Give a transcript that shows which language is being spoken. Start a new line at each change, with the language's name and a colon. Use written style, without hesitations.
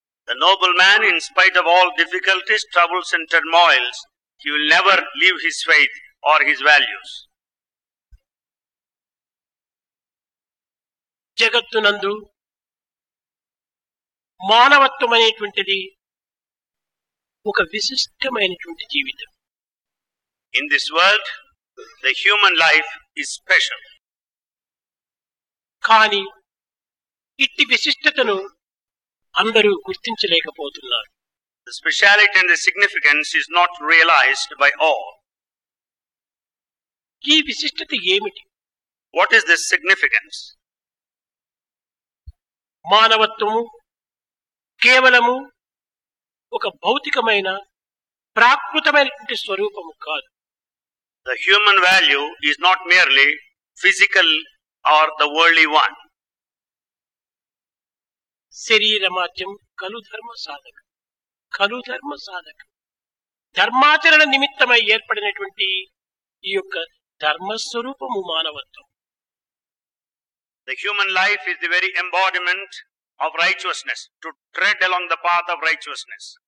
English: The noble man, in spite of all difficulties, troubles and turmoils, he will never leave his faith or his values.
Telugu: జగత్తు నందు మానవత్వం అనేటువంటిది ఒక విశిష్టమైనటువంటి జీవితం.
English: In this world, the human life is special.
Telugu: కానీ ఇట్టి విశిష్టతను అందరూ గుర్తించలేకపోతున్నారు.
English: The speciality and the significance is not realized by all.
Telugu: ఈ విశిష్టత ఏమిటి?
English: What is this significance?
Telugu: మానవత్వము కేవలము ఒక భౌతికమైన ప్రాకృతమైనటువంటి స్వరూపము కాదు.
English: The human value is not merely physical or the worldly one.
Telugu: శరీర మాధ్యం కలు ధర్మ సాధకం, కలు ధర్మ సాధకం ధర్మాచరణ నిమిత్తమై ఏర్పడినటువంటి ఈ యొక్క ధర్మస్వరూపము మానవత్వం.
English: The human life is the very embodiment of righteousness, to tread along the path of righteousness.